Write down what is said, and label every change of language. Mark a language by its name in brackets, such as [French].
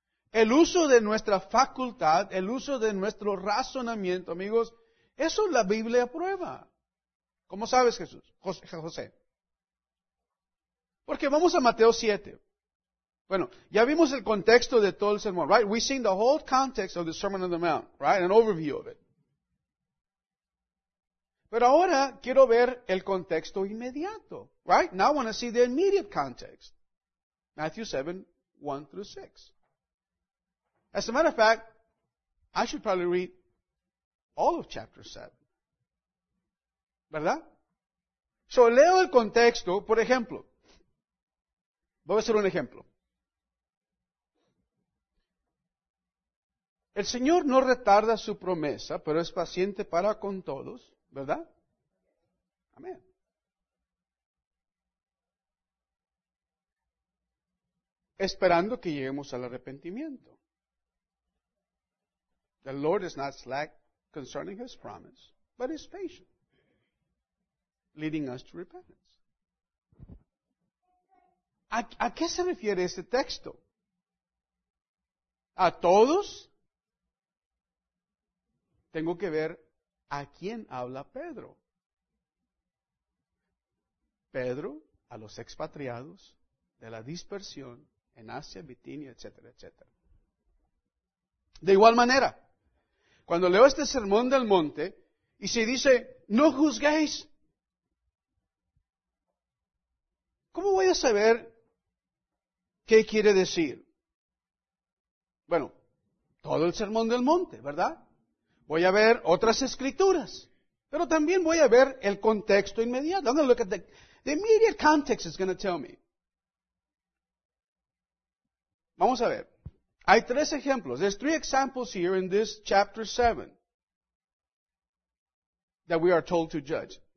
[Spanish] El uso de nuestra facultad, el uso de nuestro razonamiento, amigos, eso la Biblia aprueba. ¿Cómo sabes, Jesús? José. Porque vamos a Mateo 7. Bueno, ya vimos el contexto de todo el sermón, right? [English] We've seen the whole context of the Sermon on the Mount, right? An overview of it. [Spanish] Pero ahora quiero ver el contexto inmediato, right? [English] Now I want to see the immediate context. Matthew 7, 1 through 6. As a matter of fact, I should probably read all of chapter 7. [Spanish] ¿Verdad? So, leo el contexto, por ejemplo. Voy a hacer un ejemplo. El Señor no retarda su promesa, pero es paciente para con todos, ¿verdad? Amén. Esperando que lleguemos al arrepentimiento. [English] The Lord is not slack concerning His promise, but is patient, leading us to repentance. [Spanish] ¿A qué se refiere este texto? ¿A todos? Tengo que ver a quién habla Pedro. Pedro a los expatriados de la dispersión en Asia, Bitinia, etcétera, etcétera. De igual manera, cuando leo este sermón del monte y se dice, no juzguéis, ¿cómo voy a saber qué quiere decir? Bueno, todo el sermón del monte, ¿verdad? Voy a ver otras escrituras, pero también voy a ver el contexto inmediato. [English] I'm going to look at the immediate context is going to tell me. [Spanish] Vamos a ver. Hay tres ejemplos. [English] There's three examples here in this chapter 7 that we are told to judge.